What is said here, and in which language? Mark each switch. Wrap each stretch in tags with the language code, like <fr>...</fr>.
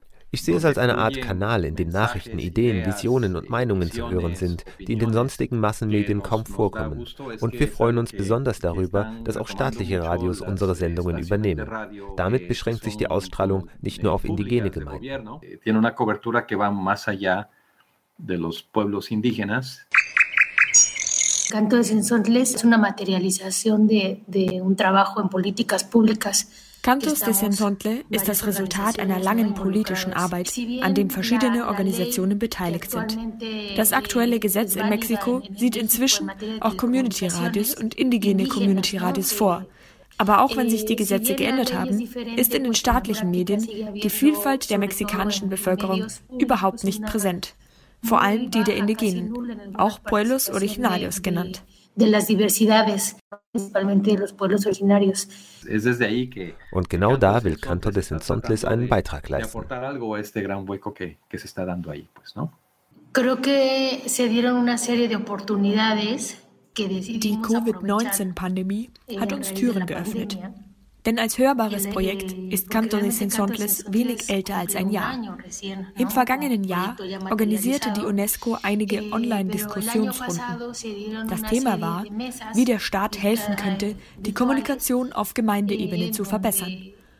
<de>Ich sehe es als eine Art Kanal, in dem Nachrichten, Ideen, Visionen und Meinungen zu hören sind, die in den sonstigen Massenmedien kaum vorkommen. Und wir freuen uns besonders darüber, dass auch staatliche Radios unsere Sendungen übernehmen. Damit beschränkt sich die Ausstrahlung nicht nur auf indigene Gemeinden.</de> <es>Canto de Sensontles es una materialización de un trabajo en políticas públicas.</es> <de>Cantos de Sensontle ist das Resultat einer langen politischen Arbeit, an dem verschiedene Organisationen beteiligt sind. Das aktuelle Gesetz in Mexiko sieht inzwischen auch Community-Radios und indigene Community-Radios vor. Aber auch wenn sich die Gesetze geändert haben, ist in den staatlichen Medien die Vielfalt der mexikanischen Bevölkerung überhaupt nicht präsent. Vor allem die der Indigenen, auch Pueblos Originarios genannt.</de> <es>De las diversidades, principalmente de los pueblos originarios. Es desde ahí que</es> <de>und genau da will Canto de Sensontles einen Beitrag leisten.</de> <es>Aportar algo a este gran hueco que se está dando ahí, pues, ¿no? Creo que se dieron una serie de oportunidades que decidimos.</es> <de>Die COVID-19-Pandemie hat uns Türen geöffnet. Denn als hörbares Projekt ist Canto de Sensontles wenig älter als ein Jahr. Im vergangenen Jahr organisierte die UNESCO einige Online-Diskussionsrunden. Das Thema war, wie der Staat helfen könnte, die Kommunikation auf Gemeindeebene zu verbessern.</de>